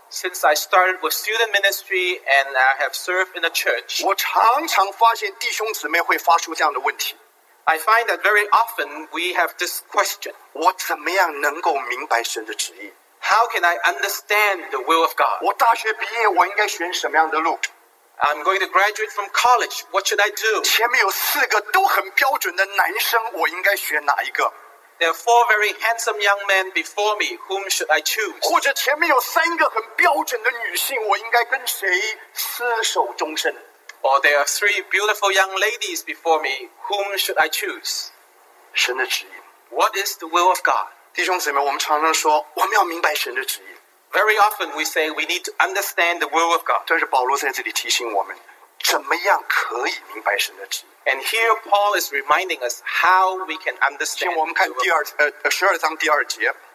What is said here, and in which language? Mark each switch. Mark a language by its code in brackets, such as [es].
[en] since I started with student ministry and I have served in a church, [zh] 我常常发现弟兄姊妹会发出这样的问题, [en] I find that very often we have this question, [zh] 我怎么样能够明白神的旨意, [en] how can I understand the will of God? [zh] 我大学毕业我应该选什么样的路, [en] I'm going to graduate from college. What should I do? [zh] 前面有四个都很标准的男生，我应该选哪一个？ [en] There are four very handsome young men before me. Whom should I choose? [zh] 或者前面有三个很标准的女性，我应该跟谁厮守终身？ [en] Or there are three beautiful young ladies before me. Whom should I choose? [zh] 神的旨意。 [en] What is the will of God? [zh] 弟兄姊妹，我们常常说我们要明白神的旨意。 [en] Very often we say we need to understand the will of God. [zh] 但是保罗在这里提醒我们，怎么样可以明白神的旨意？ [en] And here Paul is reminding us how we can understand. [zh] 请我们看第二章第二节。